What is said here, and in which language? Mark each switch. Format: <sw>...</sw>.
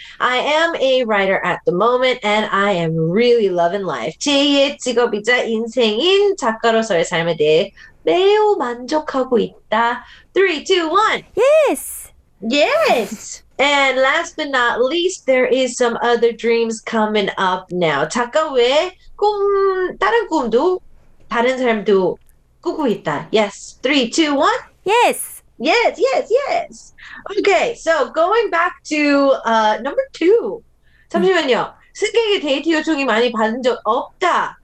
<en>I am a writer at the moment and I am really loving life.</en> <ko>제2의 직업이자 인생인 작가로서의 삶에 대해 매우 만족하고 있다.</ko> <en>3, 2, 1. Yes. Yes. And last but not least, there is some other dreams coming up now.</en> <ko>작가 외에 다른 꿈도 다른 사람도 꾸고 있다.</ko> <en>Yes. 3, 2, 1. Yes. 예스. Okay, so going back to number two.</en> <ko>잠시만요. 승객의 데이트 요청이 많이 받은 적 없다.</ko>